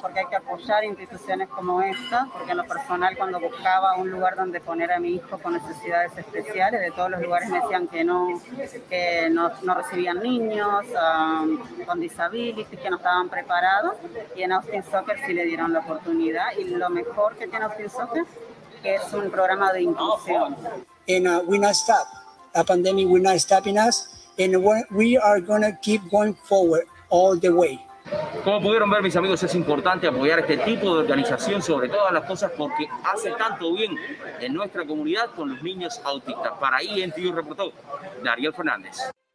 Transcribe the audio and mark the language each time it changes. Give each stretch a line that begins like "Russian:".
Spanish: Porque hay que apoyar instituciones como esta, porque en lo personal cuando buscaba un lugar donde poner a mi hijo con necesidades especiales, de todos los lugares me decían que no recibían niños con disabilities, que no estaban preparados, y en Austin Soccer sí le dieron la oportunidad, y lo mejor que tiene Austin Soccer es un programa de inclusión.
English: And we not stop. A pandemic will not stopping us. And we are going to keep going forward all the way.
Spanish: Como pudieron ver, mis amigos, es importante apoyar este tipo de organización sobre todas las cosas porque hace tanto bien en nuestra comunidad con los niños autistas. Para ENTU reportó Dariel Fernández.